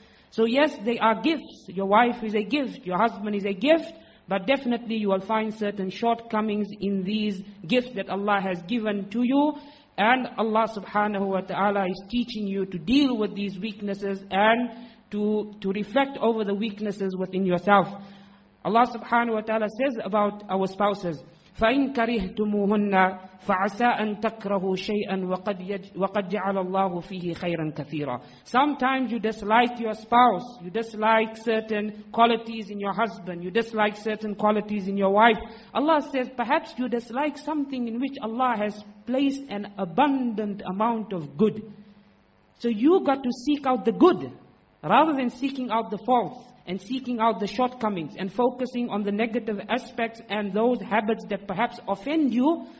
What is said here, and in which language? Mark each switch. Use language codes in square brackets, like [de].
[en] So yes, they are gifts. Your wife is a gift. Your husband is a gift. But definitely you will find certain shortcomings in these gifts that Allah has given to you. And Allah subhanahu wa ta'ala is teaching you to deal with these weaknesses and to reflect over the weaknesses within yourself. Allah subhanahu wa ta'ala says about our spouses, [ar] فَإِن كَرِهْتُمُوهُنَّ فَعَسَىٰ أَن تَكْرَهُوا شَيْئًا وَقَدْ جَعَلَ اللَّهُ فِيهِ خَيْرًا كَثِيرًا. [en] Sometimes you dislike your spouse, you dislike certain qualities in your husband, you dislike certain qualities in your wife. Allah says, perhaps you dislike something in which Allah has placed an abundant amount of good. So you got to seek out the good, rather than seeking out the faults and seeking out the shortcomings and focusing on the negative aspects and those habits that perhaps offend you.